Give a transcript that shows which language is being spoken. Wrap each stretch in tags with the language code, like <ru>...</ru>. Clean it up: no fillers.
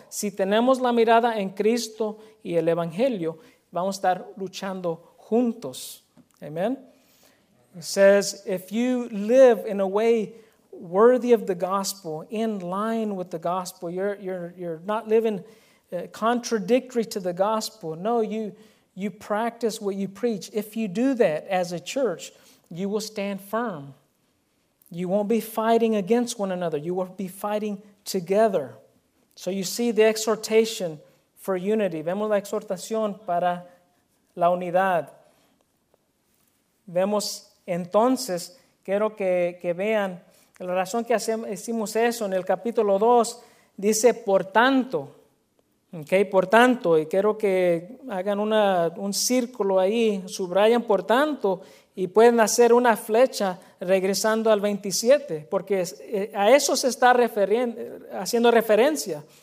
<es>Si tenemos la mirada en Cristo y el Evangelio, vamos a estar luchando juntos.</es> <en>Amen. It says, if you live in a way worthy of the gospel, in line with the gospel, you're not living contradictory to the gospel. No, you practice what you preach. If you do that as a church, you will stand firm. You won't be fighting against one another. You will be fighting together. So you see the exhortation for unity.</en> <es>Vemos la exhortación para la unidad. Vemos entonces, quiero que vean la razón que hicimos eso. En el capítulo 2 dice, por tanto. Okay, por tanto, y quiero que hagan un círculo ahí, subrayan por tanto, y pueden hacer una flecha regresando al 27, porque a eso se está haciendo referencia.</es>